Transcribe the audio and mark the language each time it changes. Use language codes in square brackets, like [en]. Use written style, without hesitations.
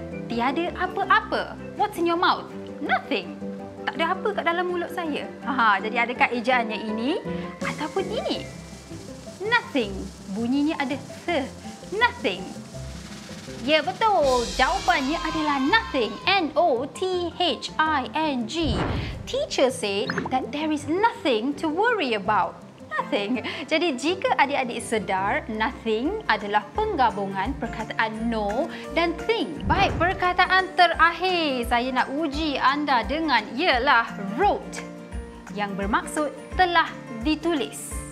[ms] Tiada apa-apa. [en] What's in your mouth? Nothing. [ms] Tak ada apa kat dalam mulut saya. Ha, jadi adakah ejaannya ini ataupun ini? Nothing. Bunyinya ada th. Nothing. Ya, betul. Jawapannya adalah nothing. [en] N-O-T-H-I-N-G. Teacher said that there is nothing to worry about. Nothing. [ms] Jadi jika adik-adik sedar, nothing adalah penggabungan perkataan no dan thing. Baik, perkataan terakhir saya nak uji anda dengan ialah wrote yang bermaksud telah ditulis.